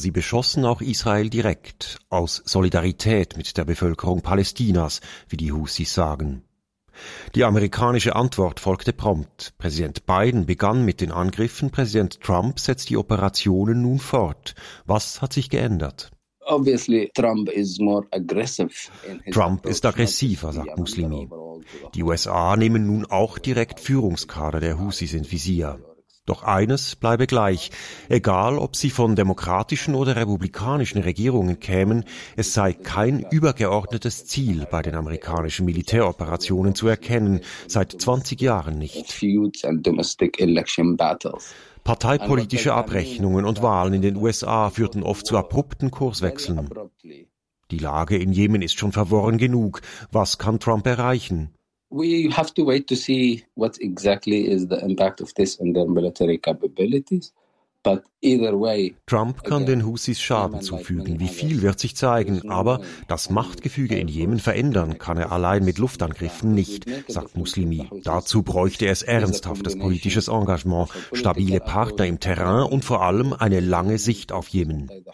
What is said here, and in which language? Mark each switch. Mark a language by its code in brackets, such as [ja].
[de] Sie beschossen auch Israel direkt, aus Solidarität mit der Bevölkerung Palästinas, wie die Houthis sagen. Die amerikanische Antwort folgte prompt. Präsident Biden begann mit den Angriffen, Präsident Trump setzt die Operationen nun fort. Was hat sich geändert? [en] Obviously, Trump is more aggressive. [de] Trump ist aggressiver, sagt Muslimi. Die USA nehmen nun auch direkt Führungskader der Houthis ins Visier. Doch eines bleibe gleich, egal ob sie von demokratischen oder republikanischen Regierungen kämen, es sei kein übergeordnetes Ziel bei den amerikanischen Militäroperationen zu erkennen, seit 20 Jahren nicht. Parteipolitische Abrechnungen und Wahlen in den USA führten oft zu abrupten Kurswechseln. Die Lage in Jemen ist schon verworren genug. Was kann Trump erreichen? [en] We have to wait to see what exactly is the impact of this on their military capabilities. But either way, [de] Trump kann den Houthis Schaden zufügen. Wie viel wird sich zeigen, aber das Machtgefüge in Jemen verändern kann er allein mit Luftangriffen nicht, sagt Muslimi. Dazu bräuchte es ernsthaftes politisches Engagement, stabile Partner im Terrain und vor allem eine lange Sicht auf Jemen.